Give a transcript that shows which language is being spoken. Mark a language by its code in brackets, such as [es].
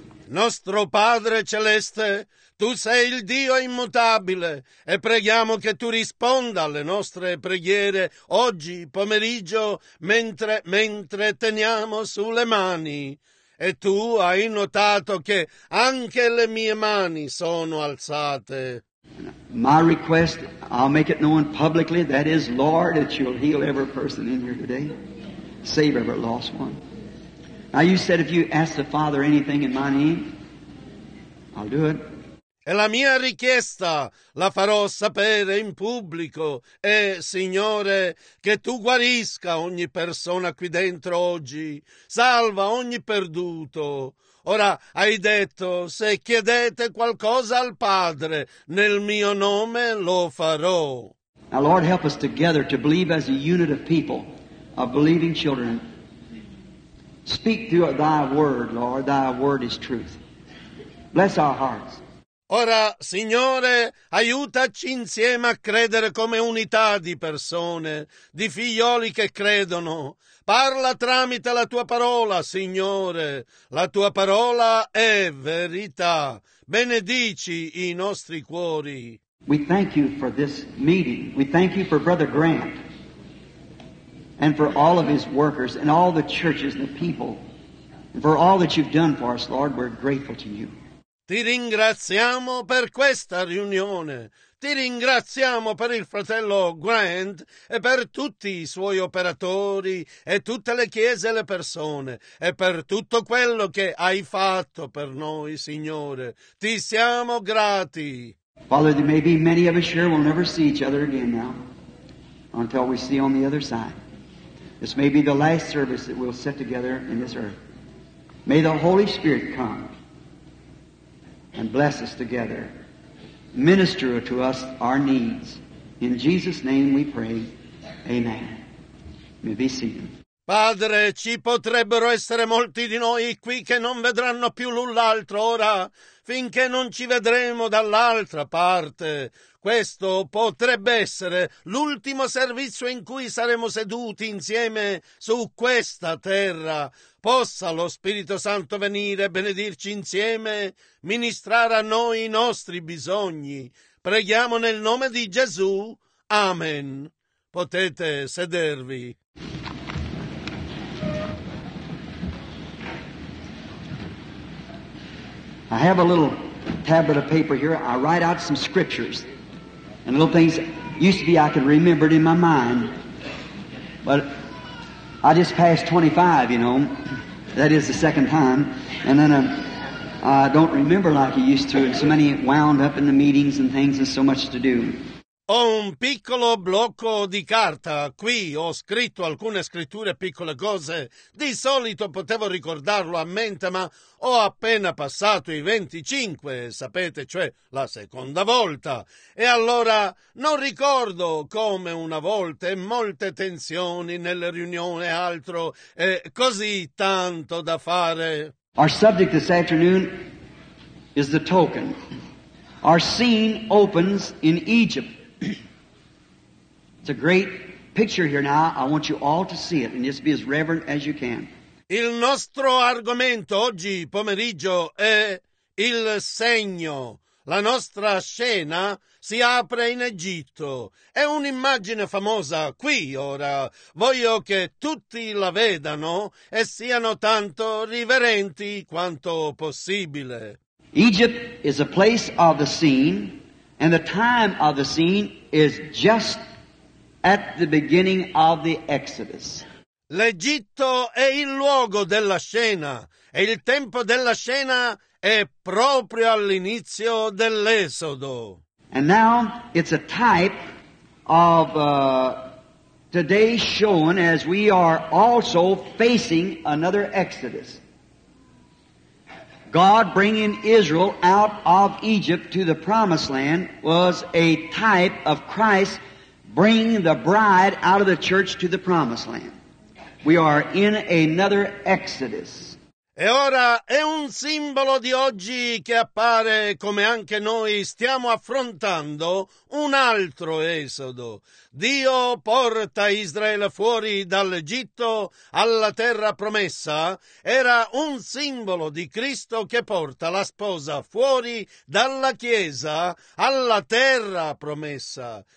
[it] Nostro Padre Celeste, Tu sei il Dio immutabile e preghiamo che Tu risponda alle nostre preghiere oggi pomeriggio mentre teniamo sulle mani. E Tu hai notato che anche le mie mani sono alzate. [en] My request, I'll make it known publicly, that is, Lord, that You'll heal every person in here today. Save every lost one. Now you said if you ask the Father anything in my name, I'll do it. [it] E la mia richiesta la farò sapere in pubblico e, Signore, che Tu guarisca ogni persona qui dentro oggi, salva ogni perduto. Ora, hai detto, se chiedete qualcosa al Padre, nel mio nome lo farò. [en] Now, Lord, help us together to believe as a unit of people, of believing children. Speak through Thy word, Lord, Thy word is truth. Bless our hearts. [it] Ora, Signore, aiutaci insieme a credere come unità di persone, di figlioli che credono. Parla tramite la Tua parola, Signore. La Tua parola è verità. Benedici i nostri cuori. [en] We thank You for this meeting. We thank You for Brother Grant and for all of his workers and all the churches and the people and for all that You've done for us, Lord. We're grateful to You. [it] Ti ringraziamo per questa riunione. Ti ringraziamo per il fratello Grant e per tutti i suoi operatori e tutte le chiese e le persone e per tutto quello che hai fatto per noi, Signore. Ti siamo grati. [en] Father, there may be many of us here will never see each other again now until we see on the other side. This may be the last service that we'll sit together in this earth. May the Holy Spirit come and bless us together. Minister to us our needs. In Jesus' name we pray. Amen. May be seated. [it] Padre, ci potrebbero essere molti di noi qui che non vedranno più l'un l'altro ora, finché non ci vedremo dall'altra parte. Questo potrebbe essere l'ultimo servizio in cui saremo seduti insieme su questa terra. Possa lo Spirito Santo venire e benedirci insieme, ministrare a noi i nostri bisogni. Preghiamo nel nome di Gesù. Amen. Potete sedervi. [en] I have a little tablet of paper here. I write out some scriptures and little things. Used to be I could remember it in my mind, but I just passed 25, you know. That is the second time. And then I don't remember like I used to. And so many wound up in the meetings and things and so much to do. [it] Ho un piccolo blocco di carta. Qui ho scritto alcune scritture, piccole cose. Di solito potevo ricordarlo a mente, ma ho appena passato i 25, sapete, cioè la seconda volta. E allora non ricordo come una volta e molte tensioni nelle riunioni e altro. E così tanto da fare. [en] Our subject this afternoon is the token. Our scene opens in Egypt. It's a great picture here now. I want you all to see it and just be as reverent as you can. [it] Il nostro argomento oggi pomeriggio è il segno. La nostra scena si apre in Egitto. È un'immagine famosa qui ora. Voglio che tutti la vedano e siano tanto riverenti quanto possibile. [en] Egypt is a place of the scene and the time of the scene is just at the beginning of the Exodus. [it] L'Egitto è il luogo della scena e il tempo della scena è proprio all'inizio dell'Esodo. [en] And now it's a type of today shown as we are also facing another Exodus. God bringing Israel out of Egypt to the Promised Land was a type of Christ bring the bride out of the church to the Promised Land. We are in another Exodus. [it] E ora è un simbolo di oggi che appare come anche noi stiamo affrontando un altro esodo. Dio porta Israele fuori dall'Egitto alla terra promessa. Era un simbolo di Cristo che porta la sposa fuori dalla Chiesa alla terra promessa.